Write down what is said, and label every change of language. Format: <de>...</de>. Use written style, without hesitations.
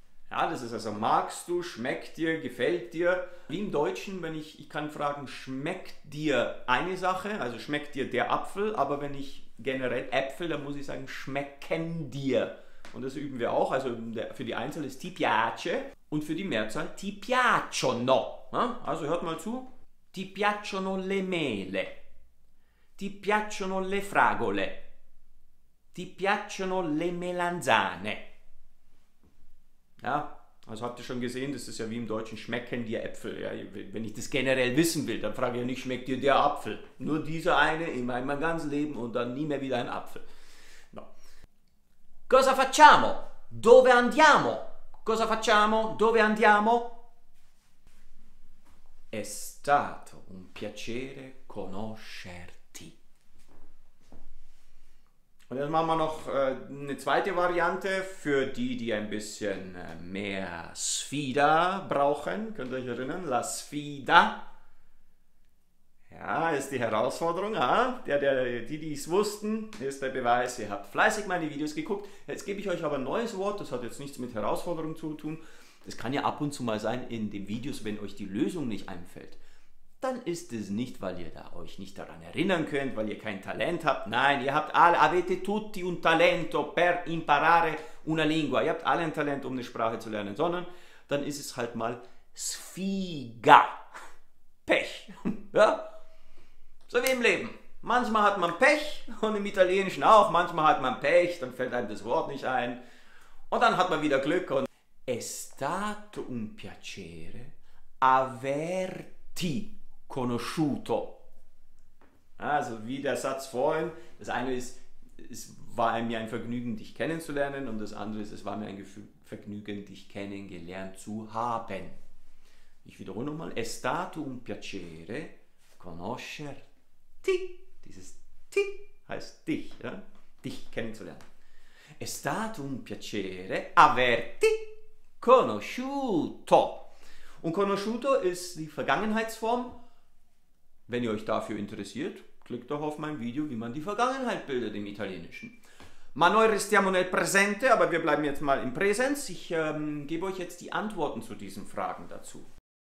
<de>Ja, das ist also, magst du, schmeckt dir, gefällt dir. Wie im Deutschen, wenn ich kann fragen, schmeckt dir eine Sache, also schmeckt dir der Apfel, aber wenn ich generell Äpfel, dann muss ich sagen, schmecken dir. Und das üben wir auch, also für die Einzahl ist</de> <it>ti piace</it> <de>und für die Mehrzahl</de> <it>ti piacciono.</it> <de>Also hört mal zu.</de> <it>Ti piacciono le mele. Ti piacciono le fragole. Ti piacciono le melanzane.</it> <de>Ja, also habt ihr schon gesehen, das ist ja wie im Deutschen, schmecken dir Äpfel. Ja, wenn ich das generell wissen will, dann frage ich ja nicht, schmeckt dir der Apfel? Nur dieser eine, immer in meinem ganzen Leben und dann nie mehr wieder ein Apfel.</de> <it>No. Cosa facciamo? Dove andiamo? Cosa facciamo? Dove andiamo? È stato un piacere conoscerti.</it> <de>Und jetzt machen wir noch eine zweite Variante für die, die ein bisschen mehr Sfida brauchen. Könnt ihr euch erinnern? La Sfida. Ja, ist die Herausforderung. Ja? Die es wussten, ist der Beweis, ihr habt fleißig meine Videos geguckt. Jetzt gebe ich euch aber ein neues Wort. Das hat jetzt nichts mit Herausforderung zu tun. Das kann ja ab und zu mal sein in den Videos, wenn euch die Lösung nicht einfällt. Dann ist es nicht, weil ihr da euch nicht daran erinnern könnt, weil ihr kein Talent habt. Nein, ihr habt alle,</de> <it>avete tutti un talento per imparare una lingua.</it> <de>Ihr habt alle ein Talent, um eine Sprache zu lernen, sondern dann ist es halt mal Sfiga. Pech. Ja? So wie im Leben. Manchmal hat man Pech und im Italienischen auch. Manchmal hat man Pech, dann fällt einem das Wort nicht ein. Und dann hat man wieder Glück und</de> <it>è stato un piacere averti conosciuto.</it> <de>Also wie der Satz vorhin, das eine ist, es war mir ein Vergnügen, dich kennenzulernen und das andere ist, es war mir ein Vergnügen, dich kennengelernt zu haben. Ich wiederhole nochmal,</de> <it>è stato un piacere conoscerti.</it> <de>Dieses ti heißt dich, ja? Dich kennenzulernen.</de> <it>È stato un piacere averti conosciuto.</it> <de>Und conosciuto ist die Vergangenheitsform. Wenn ihr euch dafür interessiert, Klick doch auf mein Video, wie man die Vergangenheit bildet im Italienischen.</de> <it>Ma noi restiamo nel presente,</it> <de>aber wir bleiben jetzt mal im Präsens. Ich gebe euch jetzt die Antworten zu diesen Fragen dazu.</de>